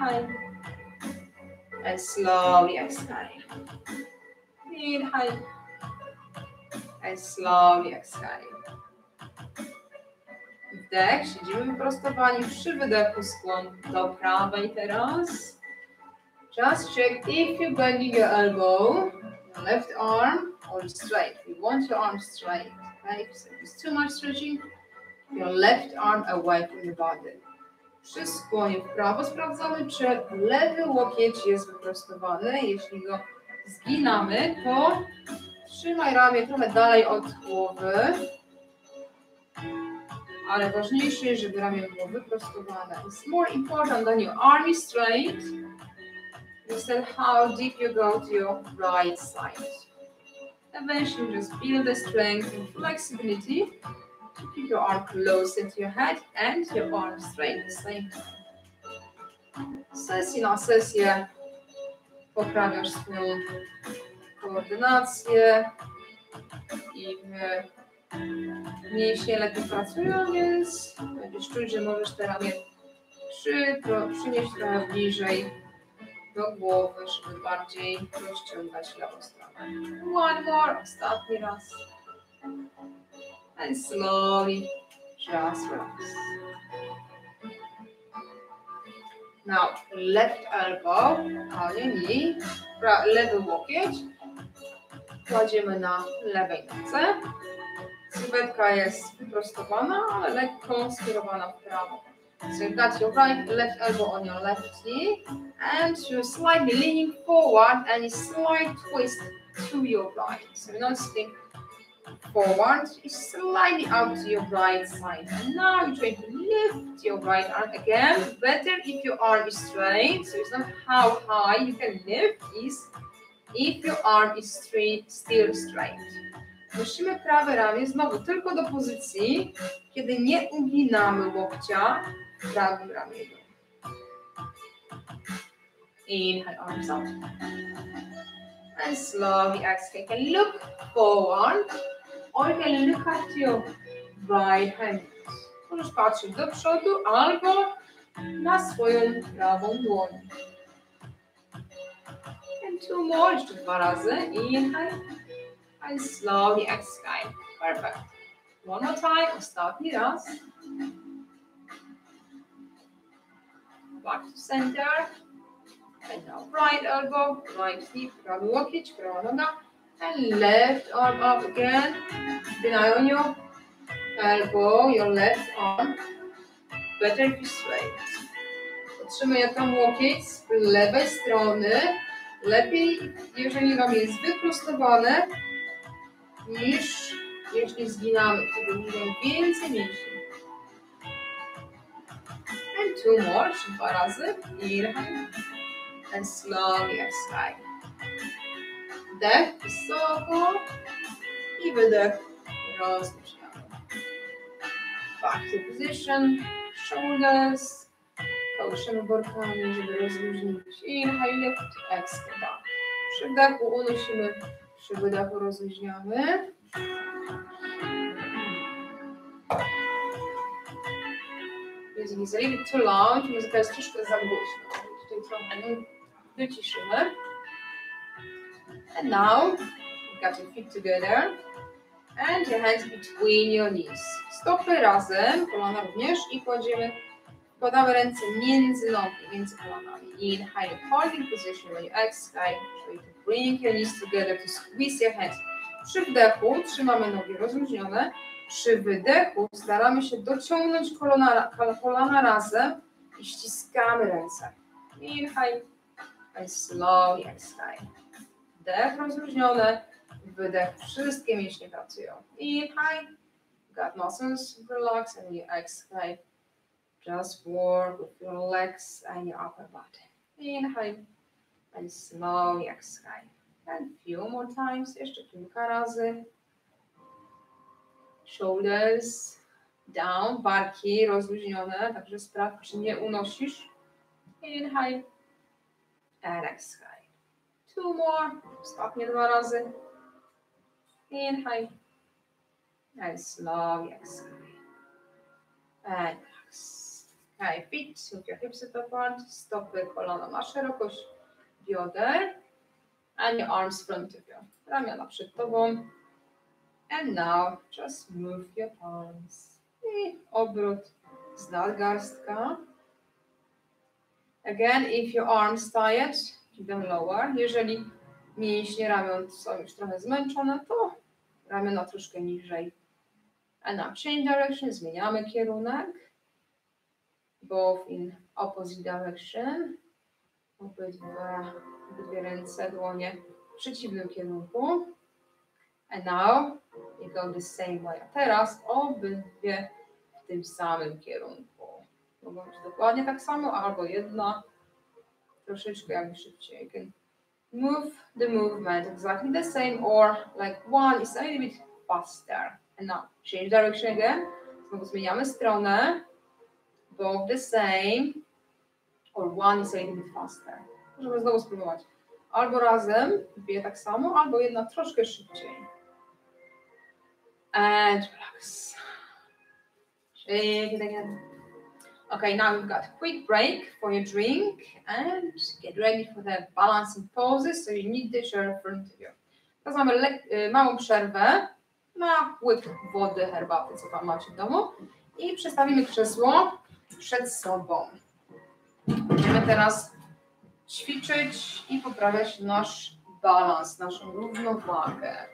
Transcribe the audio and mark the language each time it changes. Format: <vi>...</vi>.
<en>Inhale. And slowly exhale. Inhale. And slowly exhale.</en> <pl>Wdech, siedzimy wyprostowani przy wydechu, skłon do prawej teraz.</pl> <en>Just check if you're bending your elbow, your left arm, or straight. You want your arm straight, okay? If there's too much stretching, your left arm away from your body.</en> <pl>Przy skłonie w prawo sprawdzamy, czy lewy łokieć jest wyprostowany. Jeśli go zginamy, to trzymaj ramię trochę dalej od głowy. Ale ważniejsze jest, żeby ramię było wyprostowane.</pl> <en>It's more important than your arm is straight. Instead, how deep you go to your right side. Eventually, just build the strength and flexibility to keep your arm close to your head and your arm straight at the same time.</en> <pl>Sesja na sesję poprawiasz swoją koordynację i mięśnie lepiej pracują, więc będziesz czuć, że możesz te ramię przynieść trochę bliżej do głowy, żeby bardziej rozciągać lewą stronę.</pl> <en>One more,</en> <pl>ostatni raz.</pl> <en>And slowly, just relax. Now, left elbow on your knee,</en> <pl>lewy łokieć. Kładziemy na lewej nodze. Sylwetka jest wyprostowana, ale lekko skierowana w prawo.</pl> <en>So you've got your right left elbow on your left knee and you're slightly leaning forward and a slight twist to your right. So you're not sitting forward, it's slightly out to your right side. And now you're trying to lift your right arm again. Better if your arm is straight, so it's not how high you can lift is if your arm is still straight.</en> <pl>Nosimy prawe ramię znowu tylko do pozycji, kiedy nie uginamy łokcia w prawym ramieniu.</pl> <en>Inhale, arms up. And slowly exhale. You can look forward or you can look at your right hand.</en> <pl>Możesz patrzeć do przodu albo na swoją prawą dłoń.</pl> <en>And two more,</en> <pl>jeszcze dwa razy.</pl> <en>Inhale. And slowly exhale. Perfect. One more time.</en> <pl>Ostatni raz.</pl> <en>Back to center. And now right elbow, right knee,</en> <pl>prawy łokieć, prawa noga.</pl> <en>And left arm up again. Keep an eye on your elbow, your left arm. Better if you straight.</en> <pl>Otrzymuję tam łokieć z lewej strony. Lepiej, jeżeli wam jest wyprostowane, niż jeśli zginamy, kiedy będą więcej mięśni.</pl> <en>And two more,</en> <pl>czy dwa razy.</pl> <en>Inhale. And slowly exhale.</en> <pl>Wdech wysoko. I wydech rozluźniamy.</pl> <en>Back to position. Shoulders.</en> <pl>Kołyszemy workami, żeby rozluźnić.</pl> <en>Inhale, lift, exhale, down.</en> <pl>Przy wdechu unosimy, przy wydechu rozluźniamy.</pl> <en>I because it was a little bit too loud, it was</en> <ru>такая слишком заглушена.</ru> <en>And now you got your feet together and your hands between your knees.</en> <pl>Stopy razem, kolana również i kładziemy. Wkładamy ręce między nogi, między kolanami.</pl> <en>Inhale, holding position. When you exhale, so you can bring your knees together to squeeze your hands.</en> <pl>Przy wdechu trzymamy nogi rozluźnione. Przy wydechu staramy się dociągnąć kolana razem i ściskamy ręce.</pl> <en>Inhale and slowly exhale.</en> <pl>Wdech rozluźnione, wydech, wszystkie mięśnie pracują.</pl> <en>Inhale, got muscles, relax and you exhale. Just work with your legs and your upper body. Inhale and slowly exhale. And a few more times,</en> <pl>jeszcze kilka razy.</pl> <en>Shoulders down,</en> <pl>barki rozluźnione, także sprawdź, czy nie unosisz.</pl> <en>Inhale and exhale. Two more,</en> <pl>ostatnie dwa razy.</pl> <en>Inhale and slowly exhale. And relax. Okay, feet, move your hips at the front,</en> <pl>stopy, kolana na szerokość bioder.</pl> <en>And your arms front of you,</en> <pl>ramiona przed tobą.</pl> <en>And now just move your palms.</en> <pl>I obrót z nadgarstka.</pl> <en>Again, if your arms tired, keep them lower.</en> <pl>Jeżeli mięśnie ramion są już trochę zmęczone, to ramiona troszkę niżej.</pl> <en>And now change direction,</en> <pl>zmieniamy kierunek.</pl> <en>Both in opposite direction.</en> <pl>Obydwie ręce, dłonie w przeciwnym kierunku.</pl> <en>And now you go the same way.</en> <pl>Teraz obydwie w tym samym kierunku. Mogą być dokładnie tak samo, albo jedna. Troszeczkę jakby szybciej.</pl> <en>You can move the movement exactly the same, or like one is a little bit faster. And now change direction again.</en> <pl>Znowu zmieniamy stronę.</pl> <en>Both the same, or one is a little bit faster.</en> <pl>Możemy znowu spróbować. Albo razem, dwie tak samo, albo jedna troszkę szybciej.</pl> <en>And relax. Shake it again. Okay, now we've got a quick break for your drink and get ready for the balancing poses, so you need the chair in front of you.</en> <pl>Teraz mamy małą przerwę na łyk wody, herbaty, co tam macie w domu. I przestawimy krzesło przed sobą. Będziemy teraz ćwiczyć i poprawiać nasz balans, naszą równowagę.</pl>